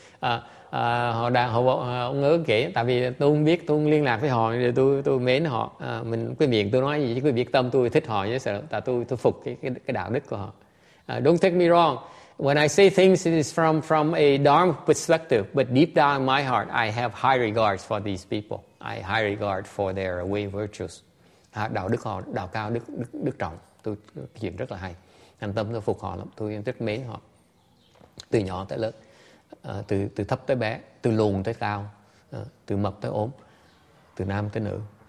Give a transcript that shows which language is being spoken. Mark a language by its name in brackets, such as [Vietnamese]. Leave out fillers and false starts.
[Vietnamese] Ông ớ kể, tại vì tôi không biết, tôi không liên lạc với họ, tôi mến họ. Mình cái miệng tôi nói gì, chứ cái biệt tâm tôi thích họ, chứ sợ, tại tôi phục cái đạo đức của họ. [English] Don't take me wrong. When I say things, it is from a Dharma perspective, but deep down in my heart, I have high regards for these people. I high regard for their way virtues. [Vietnamese] Đạo đức họ, đạo cao, đức trọng. Tôi chuyện rất là hay. Thành tâm tôi phục họ lắm, tôi rất mến họ. Từ nhỏ tới lớn, từ thấp tới bé, từ lùn tới cao, từ mập tới ốm, từ nam tới nữ.